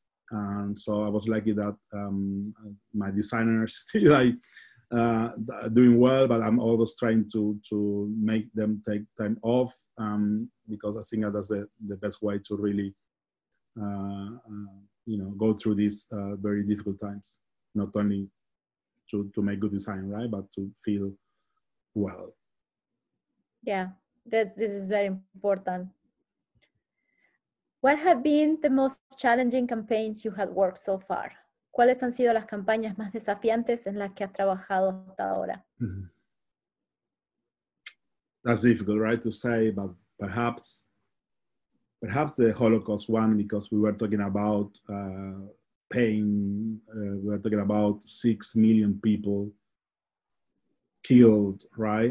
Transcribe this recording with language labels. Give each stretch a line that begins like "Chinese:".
English: And so I was lucky that my designers still like doing well, but I'm always trying to make them take time off, because I think that's the best way to really go through these very difficult times, not only to make good design, right, but to feel well. Yeah, this is very important. What have been the most challenging campaigns you had worked so far?
Spanish: ¿Cuáles han sido las campañas más desafiantes en las que has trabajado hasta ahora?
English: That's difficult, right, to say, but perhaps the Holocaust one, because we were talking about pain. We were talking about 6 million people killed, right?